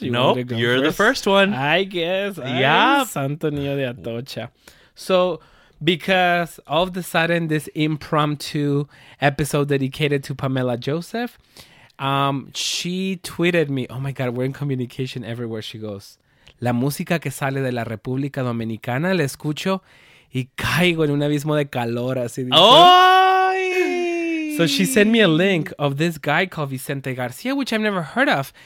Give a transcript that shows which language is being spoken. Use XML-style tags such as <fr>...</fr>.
<en>You're the first one. I guess. Yeah.</en> <es>Santo Niño de Atocha.</es> <en>So because all of a sudden this impromptu episode dedicated to Pamela Joseph, she tweeted me, oh my God, we're in communication everywhere she goes.</en> <es>La música que sale de la República Dominicana, la escucho y caigo en un abismo de calor, así dice. ¡Ay!</es> <en>So she sent me a link of this guy called Vicente García, which I've never heard of.</en>